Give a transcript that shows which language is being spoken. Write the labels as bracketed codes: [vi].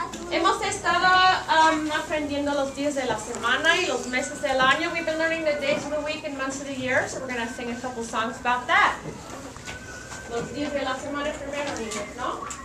[es] Hemos estado aprendiendo los días de la semana y los meses del año. [en] We've been learning the days of the week and months of the year, so we're going to sing a couple songs about that. [es] Los días de la semana primero, niños, ¿no?